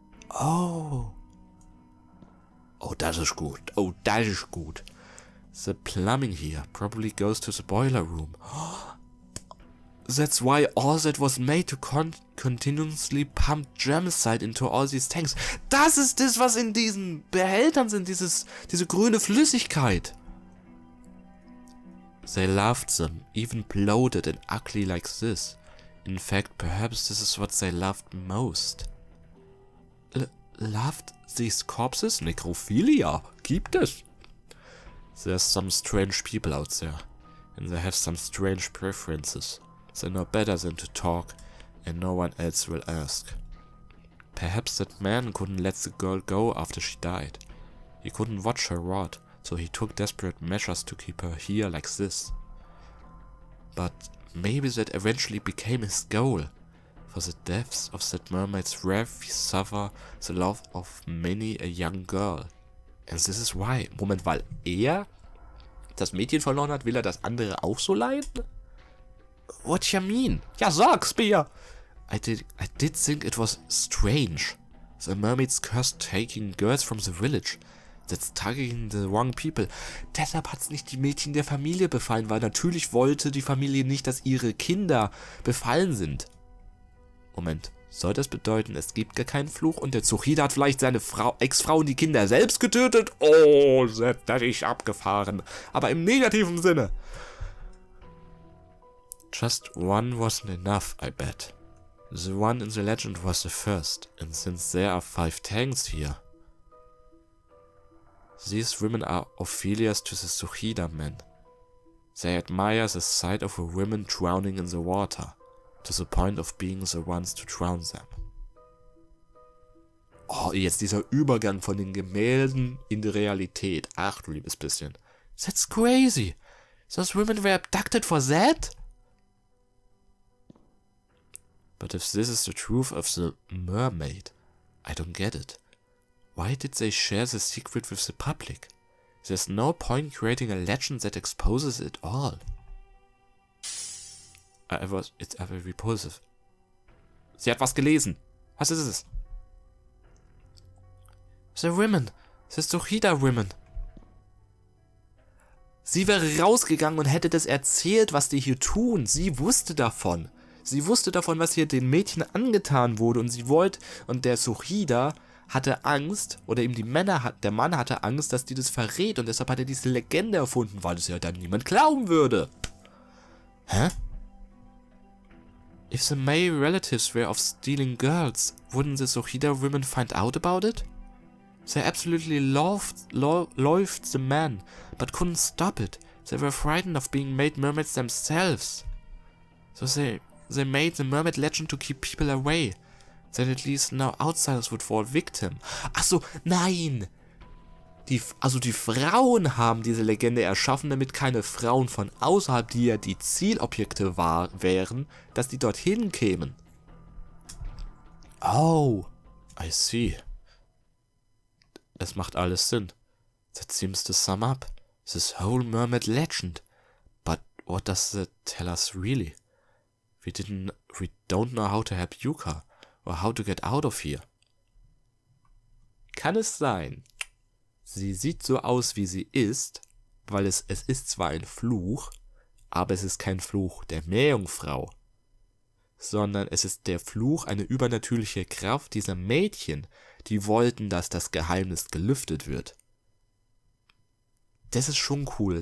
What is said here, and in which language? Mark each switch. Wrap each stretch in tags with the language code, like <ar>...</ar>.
<de>Oh. Oh, das ist gut. Oh, das ist gut.</de> <en>The plumbing here probably goes to the boiler room. That's why all that was made to continuously pump germicide into all these tanks.</en> <de>Das ist das, was in diesen Behältern sind, diese grüne Flüssigkeit.</de> <en>They loved them, even bloated and ugly like this. In fact, perhaps this is what they loved most. Loved these corpses?</en> <de>Necrophilia? Gibt es?</de> <en>There's some strange people out there, and they have some strange preferences. They know better than to talk, and no one else will ask. Perhaps that man couldn't let the girl go after she died. He couldn't watch her rot. So he took desperate measures to keep her here like this. But maybe that eventually became his goal. For the deaths of that mermaid's wrath, he suffered the love of many a young girl. And this is why.</en> <de>Moment, weil er das Mädchen verloren hat, will er das andere auch so leiden?</de> <en>What you mean?</en> <de>Ja, sag's mir!</de> <en>I did think it was strange. The mermaid's curse taking girls from the village. That's targeting the wrong people.</en> <de>Deshalb hat es nicht die Mädchen der Familie befallen, weil natürlich wollte die Familie nicht, dass ihre Kinder befallen sind. Moment, soll das bedeuten, es gibt gar keinen Fluch und der Tsuchida hat vielleicht seine Ex-Frau und die Kinder selbst getötet? Oh, das ist abgefahren. Aber im negativen Sinne.</de> <en>Just one wasn't enough, I bet. The one in the legend was the first, and since there are five tanks here. These women are Ophelias to the Tsuchida men. They admire the sight of a woman drowning in the water, to the point of being the ones to drown them.</en> <de>Oh, jetzt dieser Übergang von den Gemälden in die Realität. Ach, du liebes bisschen.</de> <en>That's crazy. Those women were abducted for that? But if this is the truth of the mermaid, I don't get it. Why did they share the secret with the public? There's no point creating a legend that exposes it all. It's ever repulsive.</en> <de>Sie hat was gelesen. Was ist es?</de> <en>The women. The Tsuchida women.</en> <de>Sie wäre rausgegangen und hätte das erzählt, was die hier tun. Sie wusste davon. Sie wusste davon, was hier den Mädchen angetan wurde und sie wollte. Und der Tsuchida hatte Angst, oder eben der Mann hatte Angst, dass die das verrät und deshalb hat er diese Legende erfunden, weil es ja dann niemand glauben würde. Hä?</de> <en>If the male relatives were of stealing girls, wouldn't the Tsuchida women find out about it? They absolutely loved the man, but couldn't stop it. They were frightened of being made mermaids themselves. So they made the mermaid legend to keep people away. Then at least now outsiders would fall victim.</en> <de>Ach so, nein! Die Frauen haben diese Legende erschaffen, damit keine Frauen von außerhalb, die ja die Zielobjekte wären, dass die dorthin kämen.</de> <en>Oh, I see.</en> <de>Es macht alles Sinn.</de> <en>That seems to sum up this whole mermaid legend. But what does that tell us really? We don't know how to help Yuka or how to get out of here.</en> <de>Kann es sein, sie sieht so aus, wie sie ist, weil es ist zwar ein Fluch, aber es ist kein Fluch der Meerjungfrau, sondern es ist der Fluch, eine übernatürliche Kraft dieser Mädchen, die wollten, dass das Geheimnis gelüftet wird. Das ist schon cool.</de>